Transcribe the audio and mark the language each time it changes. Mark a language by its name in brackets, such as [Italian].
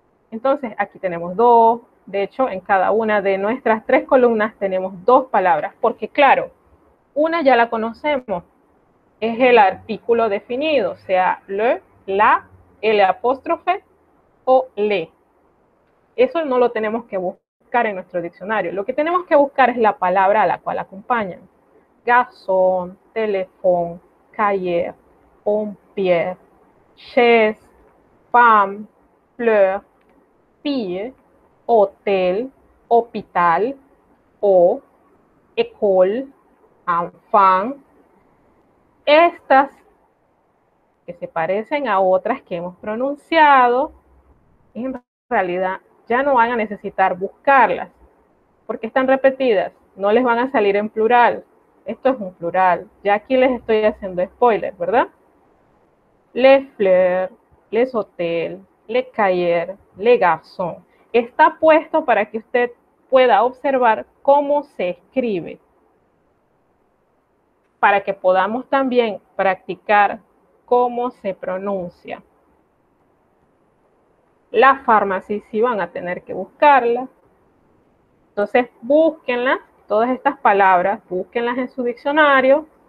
[Spanish] Entonces aquí tenemos dos, de hecho en cada una de nuestras tres columnas tenemos dos palabras, porque claro, una ya la conocemos, es el artículo definido, o sea, le, la, el apóstrofe o le. Eso no lo tenemos que buscar en nuestro diccionario. Lo que tenemos que buscar es la palabra a la cual acompañan. [French] Garçon, téléphone, cahier, pompier, chaise, femme, fleur, fille, hôtel, hôpital, eau, école, enfant. [Spanish] Estas que se parecen a otras que hemos pronunciado, en realidad ya no van a necesitar buscarlas, porque están repetidas, no les van a salir en plural. Esto es un plural. Ya aquí les estoy haciendo spoiler, ¿verdad? [French] Les fleurs, les hôtels, les cahiers, les garçons. [Spanish] Está puesto para que usted pueda observar cómo se escribe, para que podamos también practicar cómo se pronuncia. Las farmacias sí van a tener que buscarlas. Entonces, búsquenlas, todas estas palabras, búsquenlas en su diccionario.